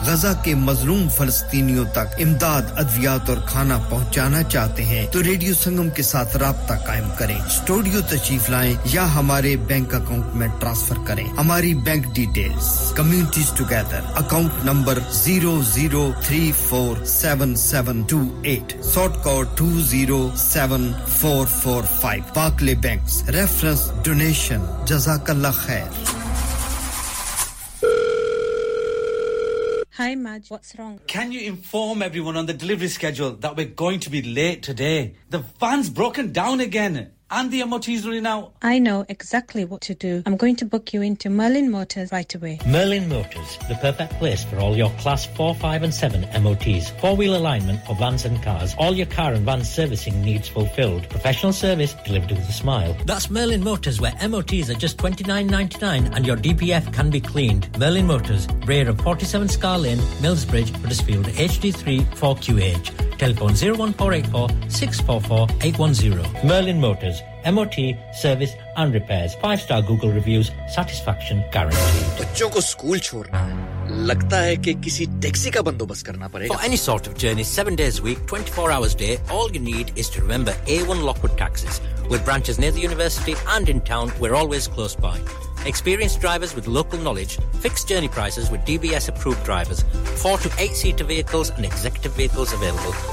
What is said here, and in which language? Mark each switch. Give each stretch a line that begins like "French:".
Hindi: गजा के मज़लूम फिलिस्तीनियों तक इमदाद अद्वियात और खाना पहुंचाना चाहते हैं तो रेडियो संगम के साथ राब्ता कायम करें स्टूडियो तशरीफ लाएं या हमारे बैंक अकाउंट में ट्रांसफर करें हमारी bank details
English: communities together account number 0034778 sort code 207445 पाकले banks reference donation
Hindi: जज़ाकअल्लाह खैर
English: Hi, Madge. What's wrong? Can you inform everyone on the delivery schedule that we're going to be late today? The van's broken down again. And the MOT's running out. I know exactly what to do. I'm going to book you into Merlin Motors right away. Merlin Motors, the perfect place for all your Class 4, 5 and 7 MOTs. Four-wheel alignment for vans and cars. All your car and van servicing needs fulfilled. Professional service delivered with a smile. That's Merlin Motors, where MOTs are just £29.99 and your DPF can be cleaned. Merlin Motors, rear of 47 Scar Lane, Millsbridge, Huddersfield, HD3, 4QH. Telephone 01484 644 810. Merlin Motors. MOT, service and repairs. 5-star Google reviews. Satisfaction guaranteed.
Hindi: बच्चों को school छोड़ना है. लगता है कि किसी taxi का बंदोबस्त करना पड़ेगा.
English: For any sort of journey, 7 days a week, 24 hours a day, all you need is to remember A1 Lockwood Taxis. With branches near the university and in town, we're always close by. Experienced drivers with local knowledge, fixed journey prices with DBS approved drivers, 4 to 8-seater vehicles and executive vehicles available.